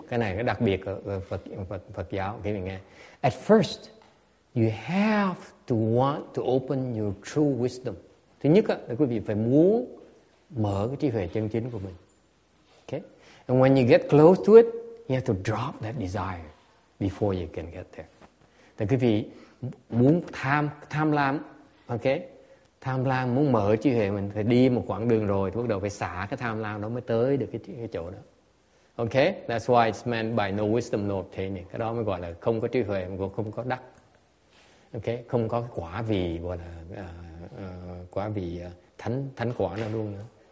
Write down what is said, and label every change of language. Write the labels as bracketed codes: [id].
[vi] Cái này cái đặc biệt ở Phật giáo, quý vị nghe. [en] At first, you have to want to open your true wisdom. [vi] Thứ nhất á, là quý vị phải muốn mở cái trí huệ chân chính của mình. [en] Okay? And when you get close to it, you have to drop that desire before you can get there. [vi] Thì quý vị muốn tham lam, okay? Tham lam muốn mở trí huệ mình phải đi một quãng đường rồi, bắt đầu phải xả cái tham lam đó mới tới được cái chỗ đó. [en] Okay? That's why it's meant by no wisdom, no obtaining. [vi] Cái đó mới gọi là không có trí huệ, không có đắc. Okay? Không có quả vị, gọi là thánh quả nào luôn nữa.